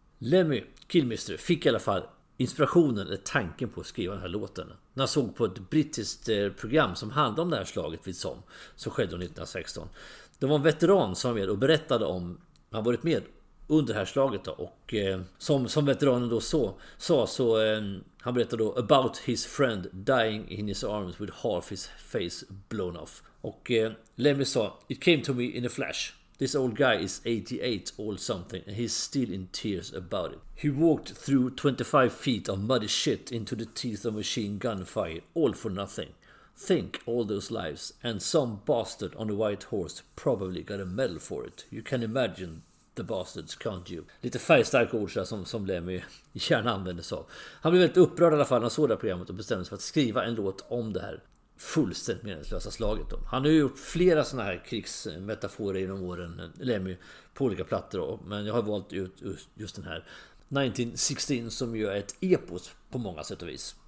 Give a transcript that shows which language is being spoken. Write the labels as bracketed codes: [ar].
[sv] Lemmy Kilmister fick i alla fall inspirationen eller tanken på att skriva den här låten när jag såg på ett brittiskt program som handlade om det här slaget vid Somme som skedde 1916. Det var en veteran som var med och berättade om han varit med under det här slaget då, och som veteranen då han berättade då [en] about his friend dying in his arms with half his face blown off. [sv] Och Lemmy sa, [en] it came to me in a flash. This old guy is 88 or something and he's still in tears about it. He walked through 25 feet of muddy shit into the teeth of machine gun fire all for nothing. Think all those lives and some bastard on a white horse probably got a medal for it. You can imagine the bastards, can't you? [sv] Lite färgstarka ord som Lemmy gärna använder sig av. Han blev väldigt upprörd i alla fall när han såg det här programmet och bestämde sig för att skriva en låt om det här fullständigt meningslösa slaget då. Han har ju gjort flera sådana här krigsmetaforer genom åren, Lemmy, på olika plattor då, men jag har valt ut just den här 1916 som ju är ett epos på många sätt och vis.